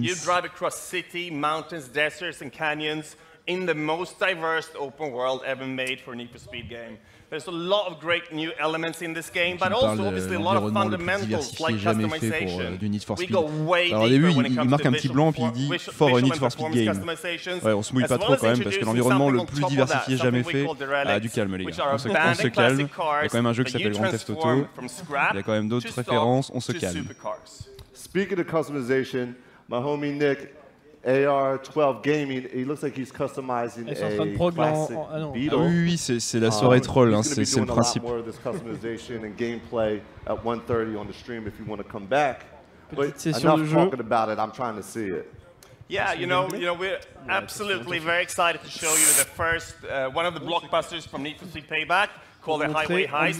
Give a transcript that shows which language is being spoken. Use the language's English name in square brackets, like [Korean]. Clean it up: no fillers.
[English] Game. You drive across city, mountains, deserts, and canyons in the most diverse open world ever made for a Need for Speed game. There's a lot of great new elements in this game, but also obviously a lot of fundamentals like customization. We go way deeper when it comes to visual performance customizations. [French] Ouais, on se mouille pas trop quand même, parce que l'environnement le plus diversifié jamais fait a du calme, les gars. On se calme. Il y a quand même un jeu qui s'appelle Grand Theft Auto. Il y a quand même d'autres références. On se calme. [English] Speaking of customization, my homie Nick, AR-12 Gaming, he looks like he's customizing a classic Beetle. [French] Oui, c'est la soirée troll, c'est le principe. [English] More of this customization and gameplay at 1:30 on the stream if you want to come back. [French] Petite [English] but enough [French] jeu. [English] Talking about it, I'm trying to see it. Yeah, you know, we're absolutely very excited to show you the first one of the blockbusters from Need for Speed Payback called the Highway Heist